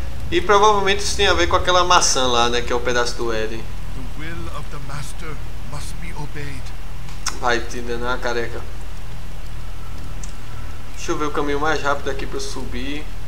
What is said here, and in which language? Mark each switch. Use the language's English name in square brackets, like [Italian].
[Portuguese] E provavelmente isso tem a ver com aquela maçã lá, né? Que é o pedaço do Éden. [English] The will of the master must be obeyed. [Portuguese] Vai te enganar, careca. Deixa eu ver o caminho mais rápido aqui para subir.